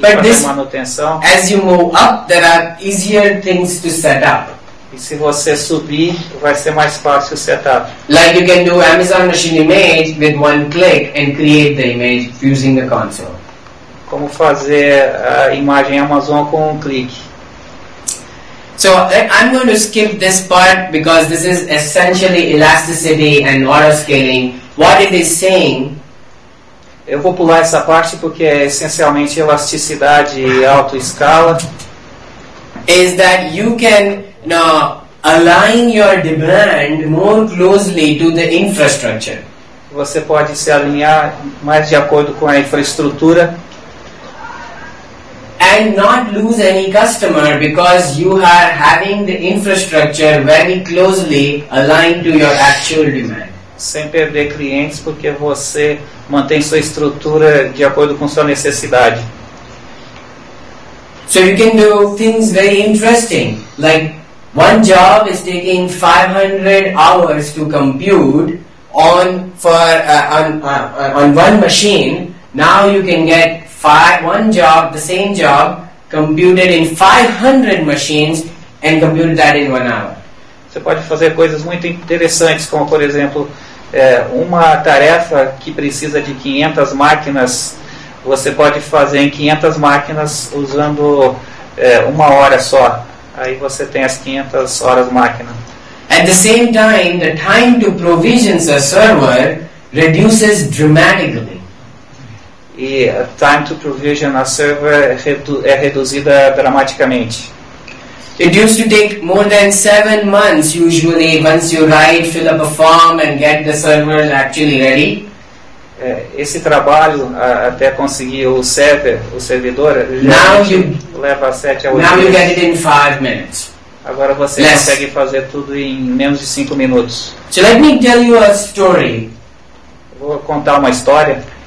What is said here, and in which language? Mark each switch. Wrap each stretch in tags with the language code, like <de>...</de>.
<en>but</en> <pt>fazer</pt> <en>this,</en> <pt>manutenção.</pt> <en>As you move up, there are easier things to set up.</en> <pt>E se você subir, vai ser mais fácil o setup.</pt> <en>Like you can do Amazon machine image with one click and create the image using the console.</en> <pt>Como fazer a imagem Amazon com um clique.</pt> <en>So I'm going to skip this part because this is essentially elasticity and auto scaling. What it is saying?</en> <pt>Eu vou pular essa parte porque é essencialmente elasticidade e auto escala.</pt> <en>Is that you can now align your demand more closely to the infrastructure.</en> <pt>Você pode se alinhar mais de acordo com a infraestrutura.</pt> <en>and not lose any customer because you are having the infrastructure very closely aligned to your actual demand.</en> <pt>Sem perder clientes porque você mantém sua estrutura de acordo com sua necessidade.</pt> <en>So you can do things very interesting, like one job is taking 500 hours to compute on one machine. Now you can get the same job computed in 500 machines and compute that in 1 hour.</en> <pt>Você pode fazer coisas muito interessantes, como por exemplo, uma tarefa que precisa de 500 máquinas, você pode fazer em 500 máquinas usando uma hora só. Aí você tem as 500 horas máquina.</pt> <en>At the same time, the time to provision a server reduces dramatically.</en> <pt>E a</pt> <en>time to provision a server</en> <pt>é reduzida dramaticamente.</pt> <en>It used to take more than 7 months usually once you write, fill up a form and get the server actually ready.</en> <pt>Esse trabalho até conseguir o servidor leva 7 a 8 minutos.</pt> <en>Now you get it in 5 minutes.</en> <pt>Agora você consegue fazer tudo em menos de 5 minutos.</pt> <en>So let me tell you a story.</en> <pt>Vou contar uma história.</pt>